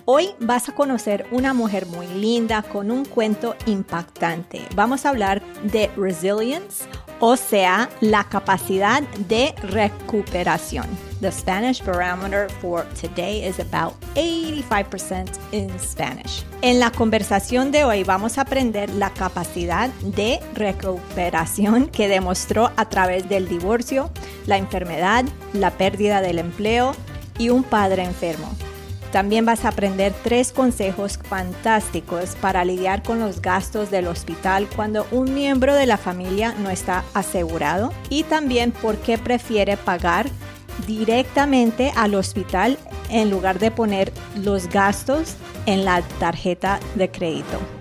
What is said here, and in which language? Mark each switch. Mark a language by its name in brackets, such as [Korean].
[Spanish] Hoy vas a conocer una mujer muy linda con un cuento impactante. Vamos a hablar de resilience, o sea, la capacidad de recuperación. [English] The Spanish barometer for today is about 85% in Spanish. [Spanish] En la conversación de hoy vamos a aprender la capacidad de recuperación que demostró a través del divorcio, la enfermedad, la pérdida del empleo y un padre enfermo. También vas a aprender tres consejos fantásticos para lidiar con los gastos del hospital cuando un miembro de la familia no está asegurado y también por qué prefiere pagar directamente al hospital en lugar de poner los gastos en la tarjeta de crédito.